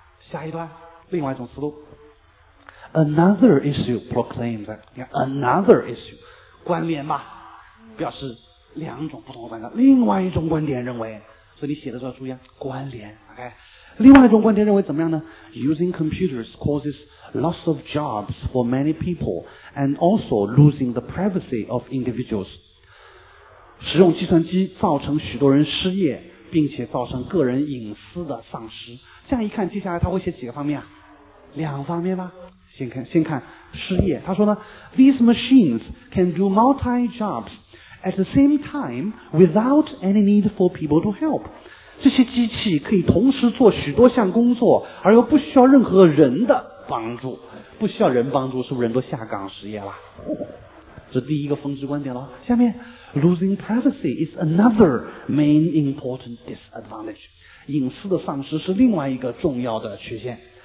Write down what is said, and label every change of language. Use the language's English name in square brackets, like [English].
[Chinese] 下一段另外一种思路。 [English] Another issue proclaimed， [Chinese] 你看 [English] another issue [Chinese] 关联吧，表示两种不同的观点，另外一种观点认为，所以你写的时候注意啊，关联 OK。另外一种观点认为怎么样呢？ [English] Using computers causesLoss of jobs for many people and also losing the privacy of individuals. [Chinese] 使用计算机造成许多人失业，并且造成个人隐私的丧失。这样一看，接下来他会写几个方面啊？两方面吧。先看失业。他说呢 [English] ,These machines can do multi-jobs at the same time without any need for people to help. [Chinese] 这些机器可以同时做许多项工作，而又不需要任何人的帮助，不需要人帮助，是不是人都下岗失业了？这第一个分支观点了。下面 [English] losing privacy is another main important disadvantage， [Chinese] 隐私的丧失是另外一个重要的缺陷。